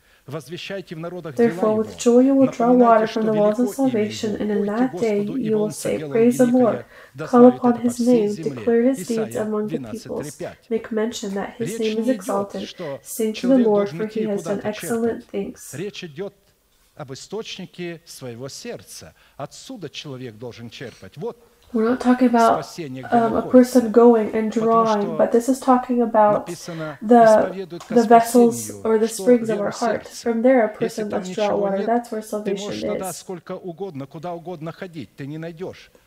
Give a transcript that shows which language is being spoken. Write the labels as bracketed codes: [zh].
[en] Therefore, with joy you will draw water from the wells of salvation, and in that day you will say, praise the Lord, call upon his name, declare his deeds among the peoples, make mention that his name is exalted, sing to the Lord, for he has done excellent things. [ru] Об источнике своего сердца. Отсюда человек должен черпать. Вот. [en] We're not talking about a person going and drawing, but this is talking about the vessels or the springs of our heart. From there, a person must draw water. That's where salvation is.